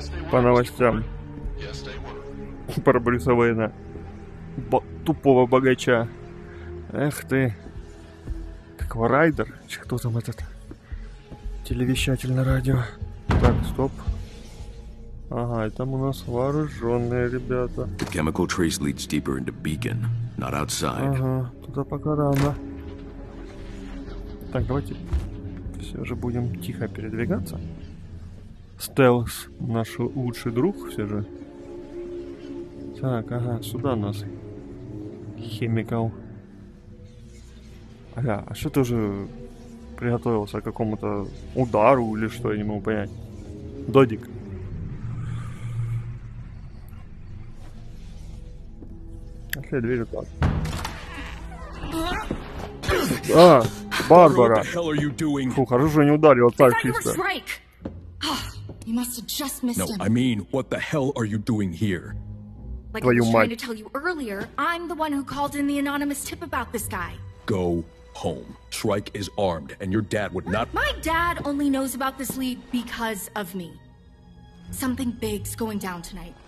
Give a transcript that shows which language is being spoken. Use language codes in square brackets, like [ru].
[ru] По новостям. Про Брюса Уэйна. Тупого богача. Эх ты. Как Варайдер? Кто там этот? Телевещатель на радио. Так, стоп. Ага, и там у нас вооруженные ребята. [en] The chemical trace leads deeper into Beacon, not outside. [ru] Ага, туда пока рано. Так, давайте все же будем тихо передвигаться. Стелс, наш лучший друг, все же. Так, ага, сюда нас. Химикал. Ага, а что ты уже приготовился к какому-то удару или что, я не могу понять. Додик. Окей, дверь вот так. А, Барбара. Фу, хорошо, что не ударил, вот так чисто. [en] No, I mean, what the hell are you doing here? Like [ru] твою [en] I was [ru] мать. [en] Trying to tell you earlier, I'm the one who called in the anonymous tip about this guy. Go home. Shrike is armed, and your dad would not... My dad only knows about this lead because of me. Something big's going down tonight.